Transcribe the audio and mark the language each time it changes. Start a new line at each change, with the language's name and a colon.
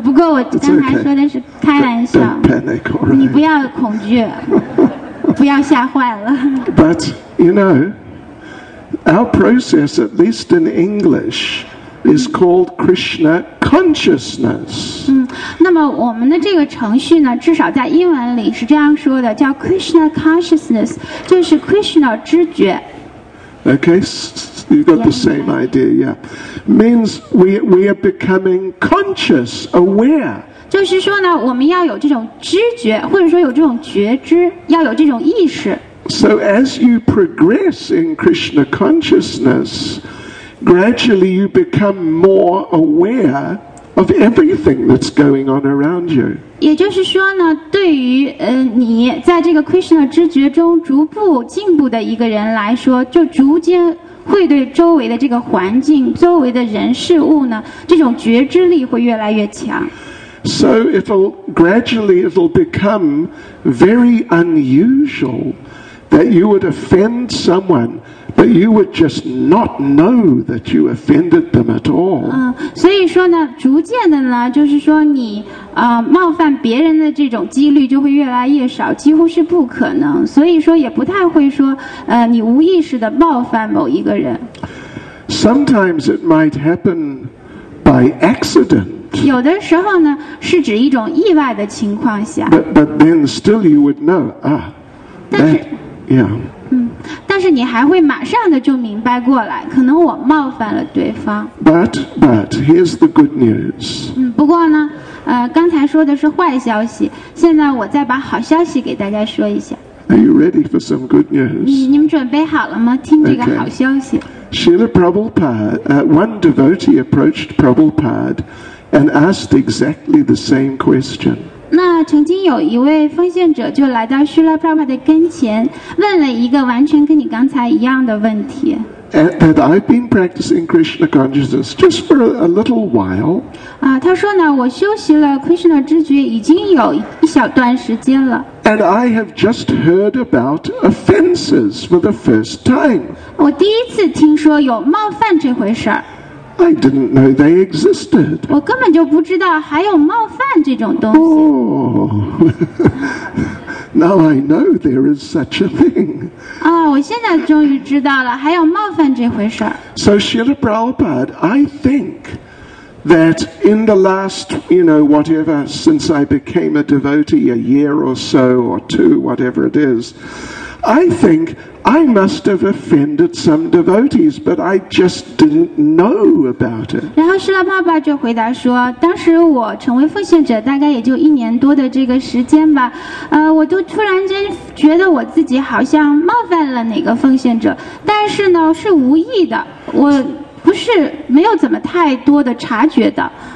Chinese: 不过我刚才说的是开玩笑。
English: Don't panic, all right.
Chinese: 你不要恐惧，不要吓坏了。
English: But, you know, our process, at least in English,is called Krishna consciousness.
Chinese: 那么我们的这个程序呢，至少在英文里是这样说的，叫 Krishna consciousness, 就是 Krishna 知觉。
English: Okay, you got the same idea, yeah. Means we are becoming conscious, aware.
Chinese: 就是说呢，我们要有这种知觉，或者说有这种觉知，要有这种意识。
English: So as you progress in Krishna consciousness,Gradually, you become more aware of everything that's going on around you.
Chinese: 也就是说呢，对于你在这个 Krishna 知觉中逐步进步的一个人来说，就逐渐会对周围的这个环境、周围的人事物呢，这种觉知力会越来越强。
English: So it'll become very unusual that you would offend someone. But you would just not know that you offended them at all.
Chinese: 所以说呢，逐渐的呢，就是说你冒犯别人的这种几率就会越来越少，几乎是不可能。所以说也不太会说你无意识的冒犯某一个人。
English: Sometimes it might happen by accident.
Chinese: 有的时候呢，是指一种意外的情况下。
English: But then still you would know. Ah, that, yeah.
Chinese: 但是你还会马上的就明白过来，可能我冒犯了对方。
English: But here's the good news.
Chinese: 不过呢，刚才说的是坏消息，现在我再把好消息给大家说一下。
English: Are you ready for some good news?
Chinese: 你们准备好了吗？听这个好消息。
English: Srila Prabhupada, one devotee approached Prabhupada and asked exactly the same question.
Chinese: 那曾经有一位奉献者就来到 Srila Prabhupada 的跟前，问了一个完全跟你刚才一样的问题。
English: That I've been practicing Krishna consciousness just for a little while.
Chinese: 他说呢，我修习了 Krishna 知觉已经有一小段时间了。
English: And I have just heard about offenses for the first time.
Chinese: 我第一次听说有冒犯这回事儿。
English: I didn't know they existed.
Chinese: 我根本就不知道还有冒犯这种东西。 Oh.
English: Now I know there is such a thing.
Chinese: 我现在终于知道了还有冒犯这回事儿。
English: So Srila Prabhupada, I think that in the last, you know, whatever, since I became a devotee, a year or so, or two, whatever it is, I think I must have offended some devotees, but I just didn't know about it.
Chinese: 然后释迦牟尼就回答说，当时我成为奉献者大概也就一年多的这个时间吧，我就突然间觉得我自己好像冒犯了哪个奉献者，但是呢，是无意的，我不是没有怎么太多的察觉的。